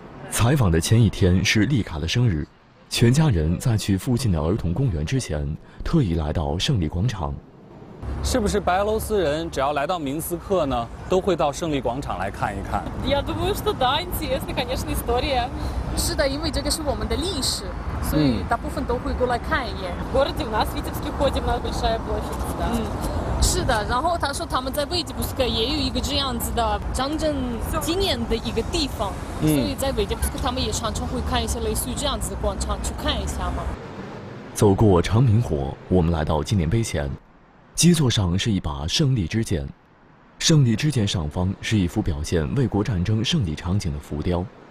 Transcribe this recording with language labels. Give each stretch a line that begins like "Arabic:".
Chinese: 采访的前一天是丽卡的生日，全家人在去附近的儿童公园之前，特意来到胜利广场。是不是白俄罗斯人只要来到明斯克呢，都会到胜利广场来看一看？
Russian: Я думаю, что да, интересно, конечно, история.
Chinese: 是的，因为这个是我们的历史，所以大部分都会过来看一眼。
Russian: В городе у нас Витебске ходим на большая площадь, да.
Chinese: 是的，然后他说他们在维吉布斯克也有一个这样子的战争纪念的一个地方，所以在维吉布斯克他们也常常会看一些类似于这样子的广场去看一下嘛。走过长明火，我们来到纪念碑前，基座上是一把胜利之剑，胜利之剑上方是一幅表现卫国战争胜利场景的浮雕。